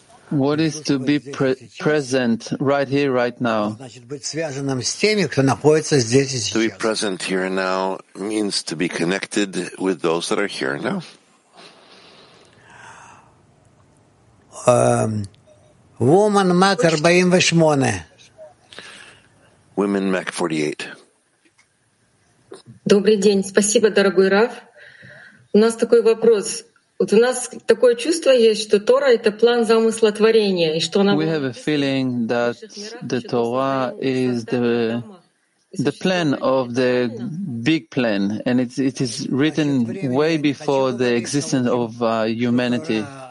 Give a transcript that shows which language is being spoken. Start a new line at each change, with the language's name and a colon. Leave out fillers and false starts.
English: What is to be present right here, right now?
Russian: Значит, быть связанным с теми, кто находится здесь и сейчас.
English: To be present here and now means to be connected with those that are here and now. Woman Mac 48. Women Mac 48.
Russian: Добрый день. Спасибо, дорогой Рав. У нас такой вопрос. Вот у нас такое чувство есть, что Тора — это план замысла творения. И что нам...
English: We have a feeling that the Torah is the plan of the big plan, and it is written way before the existence of humanity.